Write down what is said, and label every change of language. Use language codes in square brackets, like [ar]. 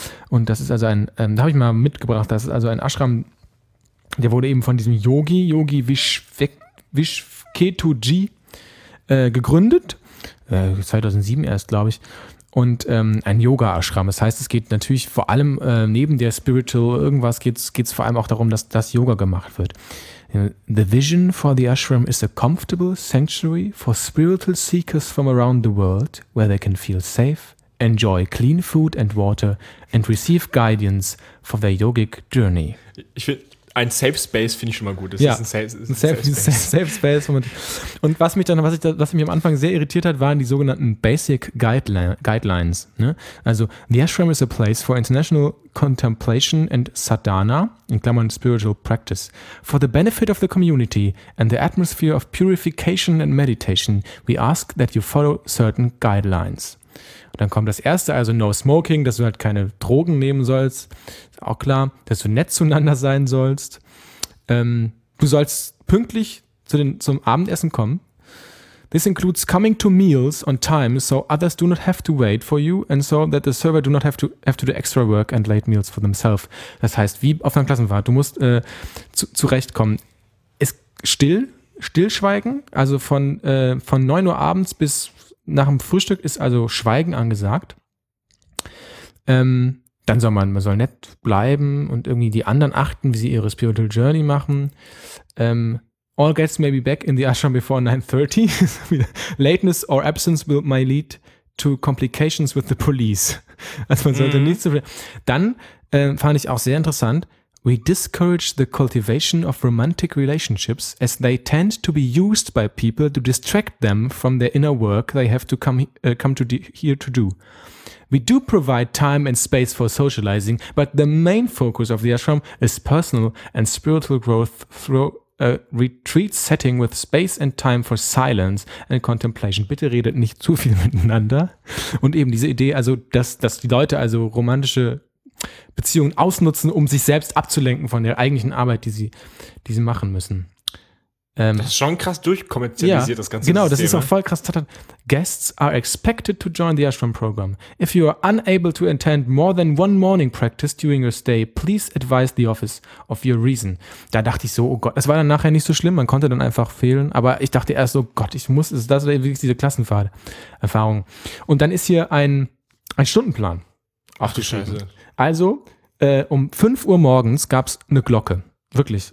[de] Und das ist also ein, da habe ich mal mitgebracht, das ist also ein Ashram, der wurde eben von diesem Yogi Vishketuji gegründet, 2007 erst, glaube ich, und ein Yoga-Ashram. Das heißt, es geht natürlich vor allem neben der Spiritual irgendwas, geht es vor allem auch darum, dass das Yoga gemacht wird. [en] The vision for the ashram is a comfortable sanctuary for spiritual seekers from around the world, where they can feel safe, enjoy clean food and water and receive guidance for their yogic journey. [de] Ich finde, ein Safe Space finde ich schon mal gut. Das ist ein Safe Space. Und was mich am Anfang sehr irritiert hat, waren die sogenannten Basic Guidelines. Ne? [en] Also, the ashram is a place for international contemplation and sadhana, [de] in Klammern [en] spiritual practice. For the benefit of the community and the atmosphere of purification and meditation, we ask that you follow certain guidelines. [de] Und dann kommt das erste, also [en] no smoking, [de] dass du halt keine Drogen nehmen sollst. Auch klar, dass du nett zueinander sein sollst. Du sollst pünktlich zum Abendessen kommen. [en] This includes coming to meals on time, so others do not have to wait for you and so that the server do not have to do extra work and late meals for themselves. [de] Das heißt, wie auf einer Klassenfahrt, du musst zurechtkommen. Stillschweigen, also von 9 Uhr abends bis nach dem Frühstück ist also Schweigen angesagt. Dann soll man soll nett bleiben und irgendwie die anderen achten, wie sie ihre Spiritual Journey machen. [en] All guests may be back in the ashram before 9:30. Lateness or absence may lead to complications with the police. [de] Also man sollte nicht so viel. Dann fand ich auch sehr interessant, [en] we discourage the cultivation of romantic relationships as they tend to be used by people to distract them from their inner work they have to come here to do. We do provide time and space for socializing, but the main focus of the ashram is personal and spiritual growth through a retreat setting with space and time for silence and contemplation. [de] Bitte redet nicht zu viel miteinander. Und eben diese Idee, also dass die Leute also romantische Beziehungen ausnutzen, um sich selbst abzulenken von der eigentlichen Arbeit, die sie machen müssen. Das ist schon krass durchkommerzialisiert, ja, das ganze genau, System. Das ist auch voll krass. [en] Guests are expected to join the ashram program. If you are unable to attend more than one morning practice during your stay, please advise the office of your reason. [de] Da dachte ich so, oh Gott, das war dann nachher nicht so schlimm, man konnte dann einfach fehlen, aber ich dachte erst so, Gott, ich muss, das war wirklich diese Klassenfahrt-Erfahrung. Und dann ist hier ein Stundenplan. Ach du Scheiße. Also, um 5 Uhr morgens gab es eine Glocke. Wirklich.